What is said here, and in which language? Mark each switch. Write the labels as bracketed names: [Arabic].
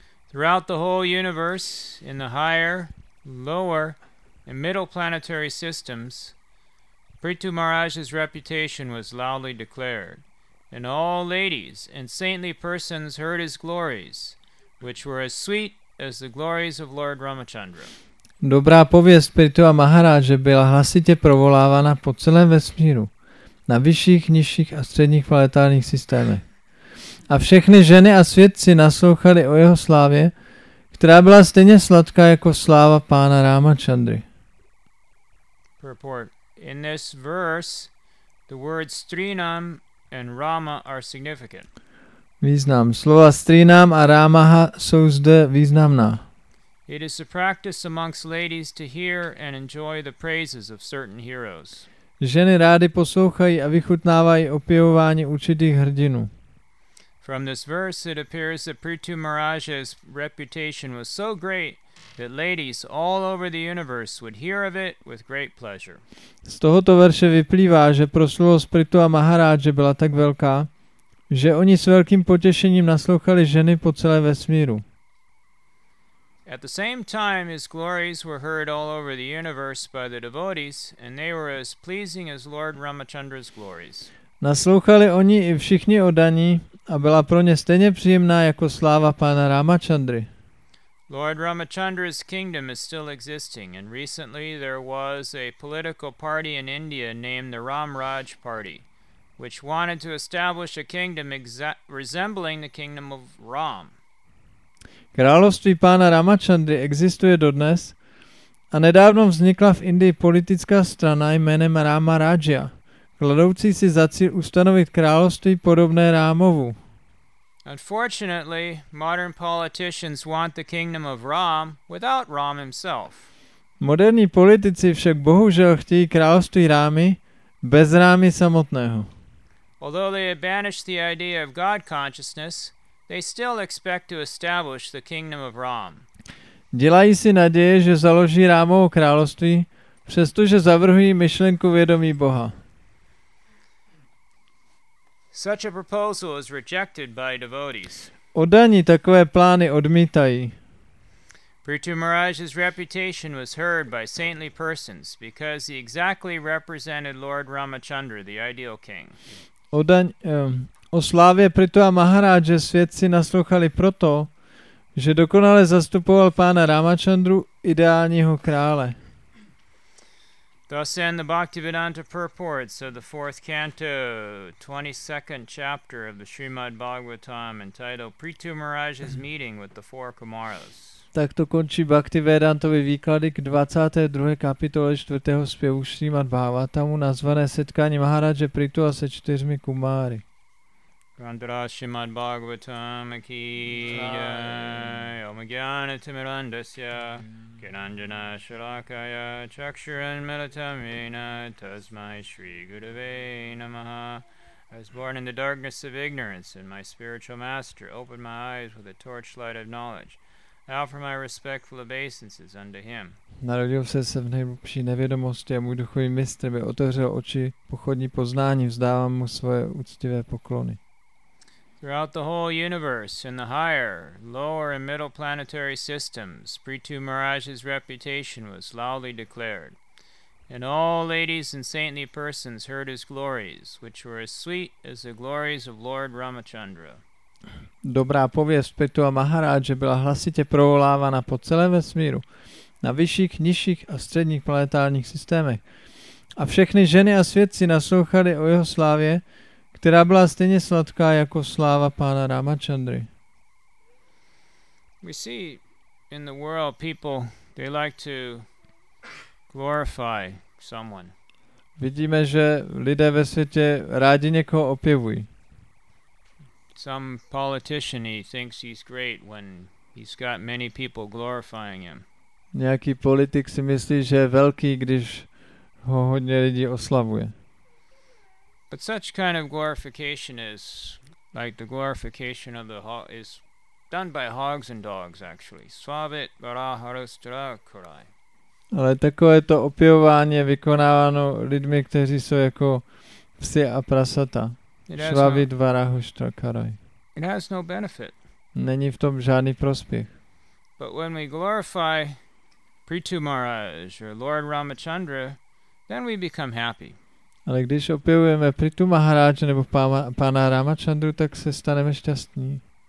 [English] Throughout the whole universe, in the higher, lower, and middle planetary systems, Prithu Maharaj's reputation was loudly declared, and all ladies and saintly persons heard his glories, which were as sweet as the glories of Lord Ramachandra. [Czech] Dobrá pověst Prithu Maharaje byla hlasitě provolávána po celém vesmíru, na vyšších, nižších a středních planetárních systémech. A všechny ženy a svědci naslouchali o jeho slávě, která byla stejně sladká jako sláva pána Ramachandry. [English] Purport. In this verse, the words Strinam and Rama are significant. [Czech] Význam. Slova Strinam a Ramaha jsou zde významná. [English] It is a practice amongst ladies to hear and enjoy the praises of certain heroes. [Czech] Ženy rády poslouchají a vychutnávají opěvování určitých hrdinů. [English] From this verse it appears that Prithu Maharaja's reputation was so great that ladies all over the universe would hear of it with great pleasure. [Czech] Z tohoto verše vyplývá, že proslulost Prithu Maharaje byla tak velká, že oni s velkým potěšením naslouchali ženy po celé vesmíru. [English] At the same time his glories were heard all over the universe by the devotees and they were as pleasing as Lord Ramachandra's glories. [Czech] Naslouchali oni i všichni oddaní a byla pro ně stejně příjemná jako sláva pána Ramachandry. [English] Lord Ramachandra's kingdom is still existing and recently there was a political party in India named the Ram Raj Party, which wanted to establish a kingdom resembling the kingdom of Ram. [Czech] Království pána Ramachandry existuje dodnes a nedávno vznikla v Indii politická strana jménem Rama Rajya, kladoucí si za cíl ustanovit království podobné Rámovu. [English] Unfortunately, modern politicians want the kingdom of Ram without Ram himself. [Czech] Moderní politici však bohužel chtějí království Rámy bez Rámy samotného. [English] Although they have banished the idea of God consciousness, they still expect to establish the kingdom of Ram. [Czech] Dělají si naděje, že založí Rámovo království, přestože zavrhují myšlenku vědomí Boha. [English] Such a proposal is rejected by devotees. [Czech] Oddaní takové plány odmítají. [English] Prithu Maharaj's reputation was heard by saintly persons because he exactly represented Lord Ramachandra, the ideal king. [Czech] O slávě Prithua Maharaje svědci naslouchali proto, že dokonale zastupoval pána Ramachandru, ideálního krále. [English] Thus end the Bhaktivedanta purports of the fourth canto, 22nd chapter of the Srimad Bhagavatam, entitled Prithu Maharaj's meeting with the four Kumaras. [Czech] Tak to končí Bhaktivedantovi výklady k 22. kapitole 4. zpěvu Srimad Bhagavatamu nazvané setkání Maharaje Prithua se čtyřmi kumáry. [Sanskrit] Grandra Srimad Bhagavatam ki jai, Om Gyana Timirandasya, Kinanjana Shalakaya, Chakshuran Militam Vena, Tasmai Shri Gurave Namaha. [English] I was born in the darkness of ignorance, and my spiritual master opened my eyes with a torchlight of knowledge. I offer my respectful obeisances unto him. [Czech] Narodil jsem se v nejhlubší nevědomosti a můj duchový mistr mi otevřel oči pochodní poznání. Vzdávám mu svoje úctivé poklony. [English] Throughout the whole universe, in the higher, lower, and middle planetary systems, Prithu Maharaj's reputation was loudly declared. And all ladies and saintly persons heard his glories, which were as sweet as the glories of Lord Ramachandra. [Czech] Dobrá pověst Prithua Maharaje byla hlasitě provolávána po celém vesmíru, na vyšších, nižších a středních planetárních systémech. A všechny ženy a svědci naslouchali o jeho slávě, která byla stejně sladká jako sláva pána Ramachandry. [English] We see in the world people, they like to glorify someone. [Czech] Vidíme, že lidé ve světě rádi někoho opěvují. [English] Some politician, he thinks he's great when he's got many people glorifying him. [Czech] Nějaký politik si myslí, že je velký, když ho hodně lidí oslavuje. [English] But such kind of glorification is like the glorification of the is done by hogs and dogs actually. [Sanskrit] Svavit varaharastra kurai. [Czech] Ale takové to opěvování je vykonáváno lidmi, kteří jsou jako psi a prasata. [Sanskrit] Svavit varaharastra kurai. [English] It has no benefit. [Czech] Není v tom žádný prospěch. [English] But when we glorify Prithu Maharaj or Lord Ramachandra, then we become happy. [Czech] Ale když opěvujeme Prithu Maharaje nebo pána Ramachandru, tak se staneme šťastní.